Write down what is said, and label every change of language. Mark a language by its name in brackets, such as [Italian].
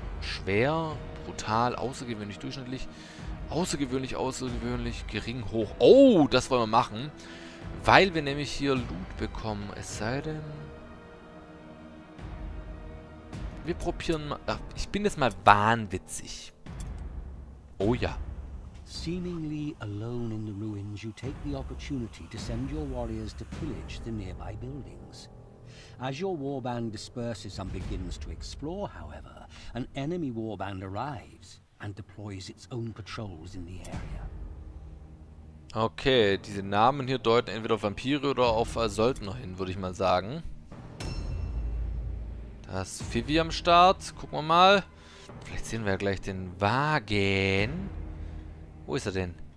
[German] Schwer, brutal, außergewöhnlich, durchschnittlich. Außergewöhnlich, außergewöhnlich, gering, hoch. Oh, das wollen wir machen. Weil wir nämlich hier Loot bekommen. Es sei denn... Wir probieren mal... Ach, ich bin jetzt mal wahnwitzig. Oh ja. [English] Seemingly alone in the ruins, you take the opportunity to send your warriors to pillage the nearby buildings. As your warband disperses and begins to explore, however, an enemy warband arrives. And deploys its own patrols in the area. [German] Okay, diese Namen hier deuten entweder auf Vampire oder auf Söldner hin, würde ich mal sagen. Da ist Vivi am Start. Gucken wir mal. Vielleicht sehen wir ja gleich den Wagen. Wo ist er denn?